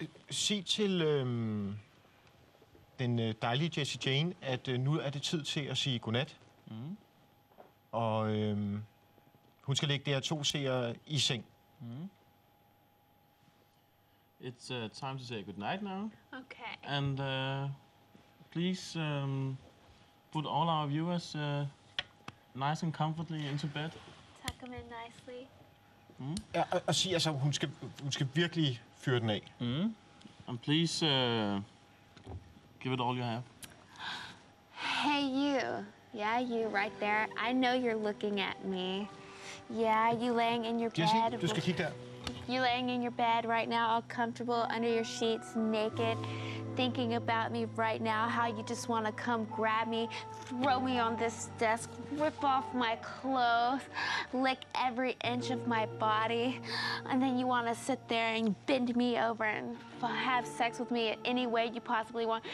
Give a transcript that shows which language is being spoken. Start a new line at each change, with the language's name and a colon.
Danish: Sig til... den dejlige Jessie Jane, at nu er det tid til at sige godnat. Mm. Og hun skal lægge DR2 seer i seng. Mm.
English: It's time to say goodnight now. Okay. And please put all our viewers nice and comfortably into bed. Tuck them in nicely. Mm.
Danish: Ja, og sig altså, hun skal virkelig fyre den af. Mm.
English: And please give it all you have. Hey you. Yeah, you right there. I know you're looking at me. Yeah, you laying in your Jessie, bed.
Danish: Du skal kigge der.
English: You laying in your bed right now, all comfortable under your sheets, naked, thinking about me right now, how you just want to come grab me, throw me on this desk, rip off my clothes, lick every inch of my body, and then you want to sit there and bend me over and have sex with me in any way you possibly want.